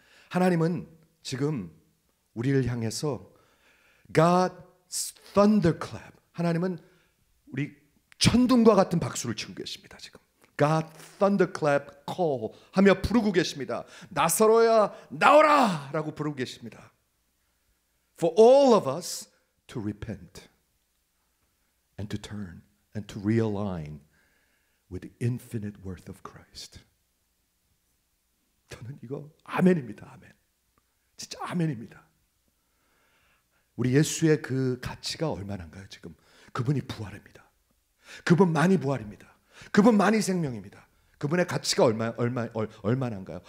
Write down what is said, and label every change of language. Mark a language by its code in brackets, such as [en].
[ko] 하나님은 지금 우리를 향해서 God's thunderclap, 하나님은 우리 천둥과 같은 박수를 치고 계십니다. 지금 God thunderclap call 하며 부르고 계십니다. 나사로야 나오라 라고 부르고 계십니다. [en] For all of us to repent and to turn and to realign with the infinite worth of Christ. [ko] 저는 이거 아멘입니다. 아멘. 진짜 아멘입니다. 우리 예수의 그 가치가 얼마나인가요? 지금 그분이 부활입니다. 그분 많이 부활입니다. 그분 많이 생명입니다. 그분의 가치가 얼마나인가요?